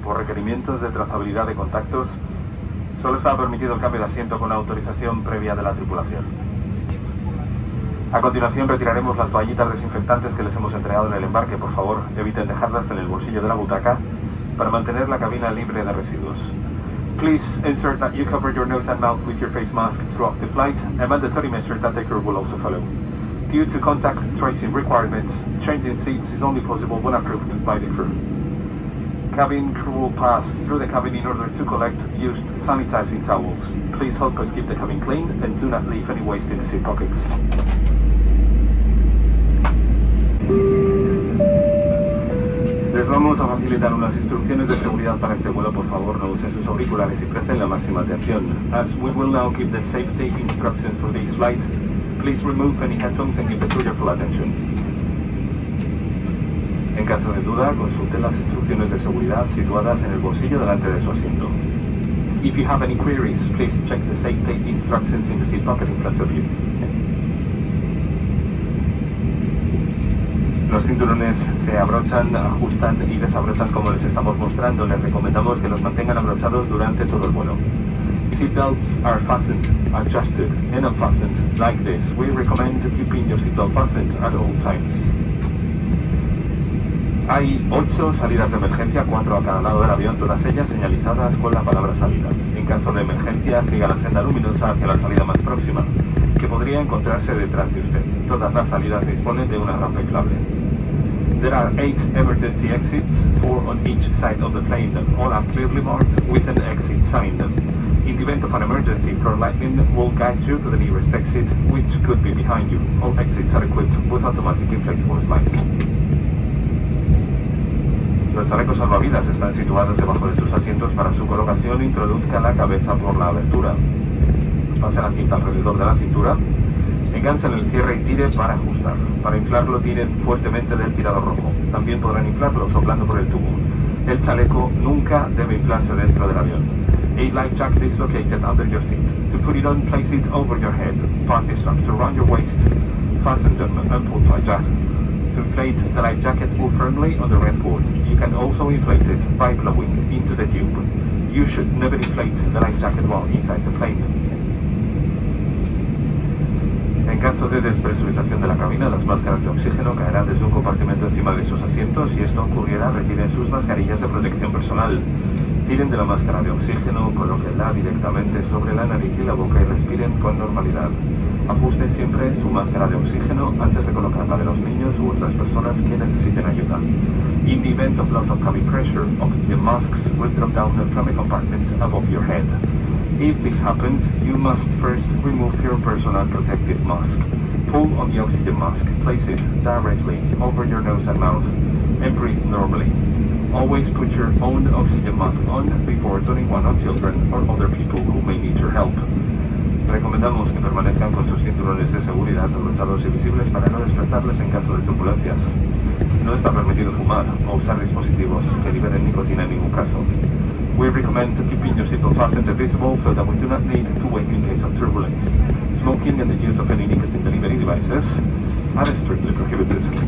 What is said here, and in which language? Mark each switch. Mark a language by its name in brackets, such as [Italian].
[Spanish] Por requerimientos de trazabilidad de contactos, solo estaba permitido el cambio de asiento con autorización previa de la tripulación. A continuación retiraremos las toallitas desinfectantes que les hemos entregado en el embarque. Por favor, eviten dejarlas en el bolsillo de la butaca para mantener la cabina libre de residuos. [English] Please ensure that you cover your nose and mouth with your face mask throughout the flight, a mandatory measure that the crew will also follow. Due to contact tracing requirements, changing seats is only possible when approved by the crew. Cabin crew will pass through the cabin in order to collect used sanitizing towels. Please help us keep the cabin clean and do not leave any waste in the seat pockets. [Spanish] Les vamos a facilitar unas instrucciones de seguridad para este vuelo. Por favor, no usen sus auriculares y presten la máxima atención. [English] As we will now give the safety instructions for this flight, please remove any headphones and give the crew your full attention. [Spanish] En caso de duda, consulte las instrucciones de seguridad situadas en el bolsillo delante de su asiento. [English] If you have any queries, please check the safety instructions in the seat pocket in front of you. [Spanish] Los cinturones se abrochan, ajustan y desabrochan como les estamos mostrando. Les recomendamos que los mantengan abrochados durante todo el vuelo. [English] Seatbelts are fastened, adjusted, and unfastened like this. We recommend keeping your seatbelt fastened at all times. [Spanish] Hay 8 salidas de emergencia, 4 a cada lado del avión, todas ellas señalizadas con la palabra salida. En caso de emergencia, siga la senda luminosa hacia la salida más próxima, que podría encontrarse detrás de usted. Todas las salidas disponen de una rampa inflable. [English] There are 8 emergency exits, 4 on each side of the plane, all are clearly marked with an exit sign. In the event of an emergency, Pro Lightning will guide you to the nearest exit, which could be behind you. All exits are equipped with automatic inflatable slides. [Spanish] Los chalecos salvavidas están situados debajo de sus asientos. Para su colocación, introduzca la cabeza por la abertura. Pase la cinta alrededor de la cintura. Enganchen el cierre y tire para ajustar. Para inflarlo, tiren fuertemente del tirador rojo. También podrán inflarlo soplando por el tubo. El chaleco nunca debe inflarse dentro del avión. [English] A life jacket is located under your seat. To put it on, place it over your head. Fasten straps around your waist. Fasten them and pull to adjust. To inflate the life jacket, pull firmly on the red board. You can also inflate it by blowing into the tube. You should never inflate the life jacket while inside the plane. [Spanish] En caso de despresurización de la cabina, las máscaras de oxígeno caerán desde un compartimento encima de sus asientos. Si esto ocurriera, retiren sus mascarillas de protección personal. Tiren de la máscara de oxígeno, colóquenla directamente sobre la nariz y la boca y respiren con normalidad. Ajusten siempre su máscara de oxígeno antes de colocarla de los niños u otras personas que necesiten ayuda. [English] In the event of loss of cabin pressure, the masks will drop down from a compartment above your head. If this happens, you must first remove your personal protective mask. Pull on the oxygen mask, place it directly over your nose and mouth, and breathe normally. Always put your own oxygen mask on before turning one on children or other people who may need your help. [Spanish] Recomendamos que permanezcan con sus cinturones de seguridad abrochados y visibles para no despertarles en caso de turbulencias. No está permitido fumar o usar dispositivos que liberen nicotina en ningún caso. [English] We recommend keeping your seatbelt fastened and visible so that we do not need to wake in case of turbulence. Smoking and the use of any nicotine delivery devices are strictly prohibited.